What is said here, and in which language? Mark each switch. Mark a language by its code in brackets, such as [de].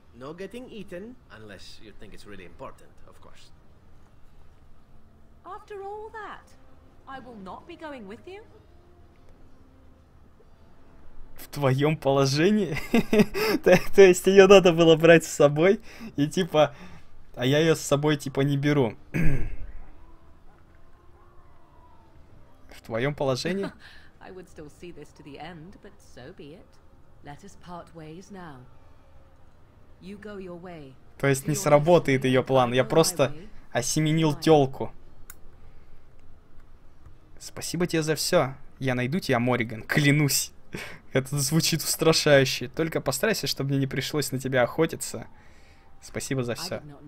[en] No getting eaten, unless you think it's really important, of course. After all that, I will not be going with you. [ru] В твоем положении? То есть ее надо было брать с собой? И типа... А я ее с собой типа не беру. В твоем положении? [en] I would still see this to the end, but so be it. Let us part ways now. You go your way. [ru] То есть не сработает ее план. Я просто осеменил тёлку. Спасибо тебе за все. Я найду тебя, Морриган, клянусь. Это звучит устрашающе. Только постарайся, чтобы мне не пришлось на тебя охотиться. Спасибо за все.